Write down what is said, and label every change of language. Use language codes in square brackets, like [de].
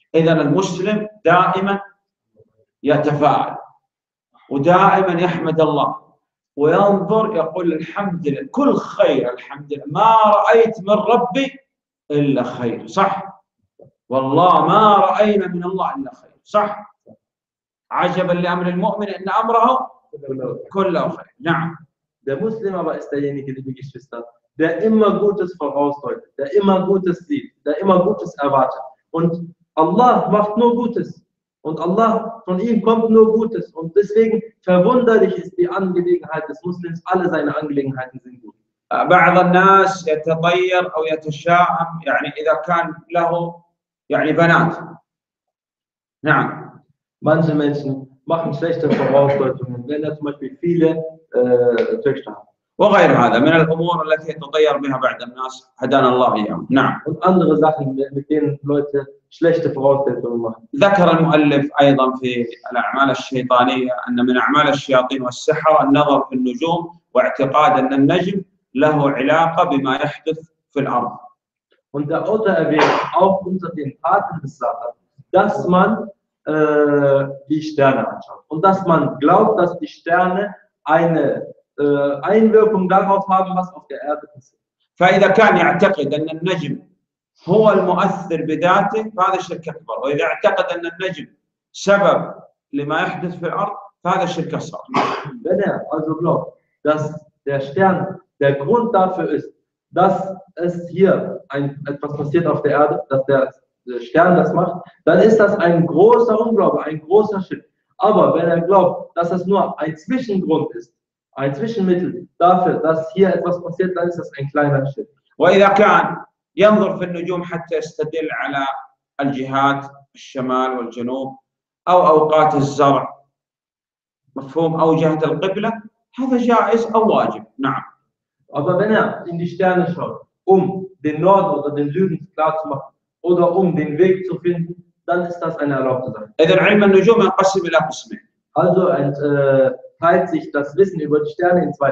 [ar] إذن المسلم دائما يتفاعل ودائما يحمد الله وينظر يقول الحمد لله كل خير الحمد لله ما رأيت من ربي إلا خير صح والله ما رأينا من الله إلا خير صح عجبا لأمر المؤمن إن أمره كله خير نعم [de] der Muslim aber ist derjenige, der die Geschwister, der immer Gutes vorausdeutet, der immer Gutes sieht, der immer Gutes erwartet. Und Allah macht nur Gutes. Und Allah, von ihm kommt nur Gutes. Und deswegen verwunderlich ist die Angelegenheit des Muslims, alle seine Angelegenheiten sind gut. [ar] بعض الناس يتطير أو يتشاءم يعني إذا كان له يعني بنات نعم [de] manche Menschen machen schlechte Vorausdeutungen wenn er zum Beispiel viele Töchter hat [ar] وغير هذا من الأمور التي يتطير بها بعض الناس هدانا الله إياهم نعم [de] und andere Sachen mit denen Leute schlechte Vorausdeutungen machen [ar] ذكر المؤلف أيضا في الأعمال الشيطانية أن من أعمال الشياطين والسحر النظر في النجوم واعتقاد أن النجم له علاقة بما يحدث في الأرض. [de] Und der Autor erwähnt auch unter den Taten des Satan, dass man die Sterne anschaut und dass man glaubt, dass die Sterne eine Einwirkung darauf haben, was auf der Erde passiert. [ar] فإذا كان يعتقد أن النجم هو المؤثر بذاته فهذا شرك أكبر وإذا اعتقد أن النجم سبب لما يحدث في الأرض فهذا شرك أصغر. [de] Wenn er also glaubt, dass der Stern Der Grund dafür ist, dass es hier etwas passiert auf der Erde, dass der Stern das macht, dann ist das ein großer Unglaube, ein großer Schritt. Aber wenn er glaubt, dass es nur ein Zwischengrund ist, ein Zwischenmittel dafür, dass hier etwas passiert, dann ist das ein kleiner Schritt. [ar] وإذا كان ينظر في النجوم حتى يستدل على الجهات الشمال والجنوب أو أوقات الزرع مفهوم أو جهة القبلة هذا جائز أو واجب نعم [de] Aber wenn er in die Sterne schaut, um den Norden oder den Süden klar zu machen oder um den Weg zu finden, dann ist das eine erlaubte Sache. Also teilt sich das Wissen über die Sterne in zwei